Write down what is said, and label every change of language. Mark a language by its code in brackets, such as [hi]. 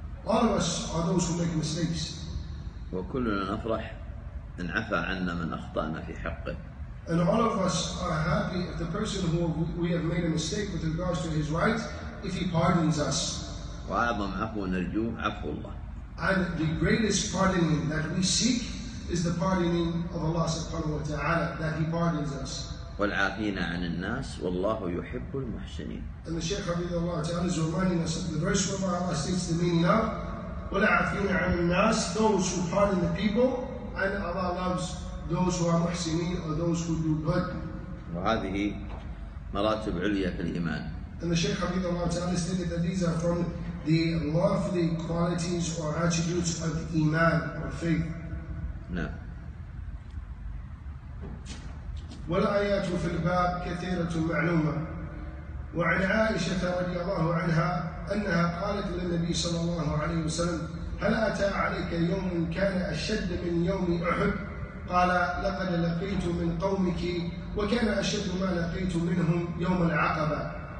[en] All of us are those who make mistakes. [ar] وكلنا نفرح إن عفا عنا من أخطأنا في حقه. [en] And all of us are happy if the person who we have made a mistake with regards to his right, if he pardons us. [ar] وأعظم عفو نرجوه عفو الله. [en] And the greatest pardoning that we seek is the pardoning of Allah subhanahu wa ta'ala, that he pardons us. [ar] والعافين عن الناس والله يحب المحسنين. [en] And the Shaykh Hafidhullah Ta'ala is reminding us of the verse where Allah states the meaning of [ar] والعافين عن الناس, [en] those who pardon the people, and Allah loves those who are muhsinin or those who do good. [ar] وهذه مراتب عليا في الإيمان. [en] And the Shaykh Hafidhullah Ta'ala stated that these are from the lofty qualities or attributes of Iman or faith. No. [ar] والآيات في الباب كثيرة معلومة. وعن عائشة رضي الله عنها أنها قالت للنبي صلى الله عليه وسلم هل أتى عليك يوم كان أشد من يوم أحد؟ قال لقد لقيت من قومك وكان أشد ما لقيت منهم يوم العقبة.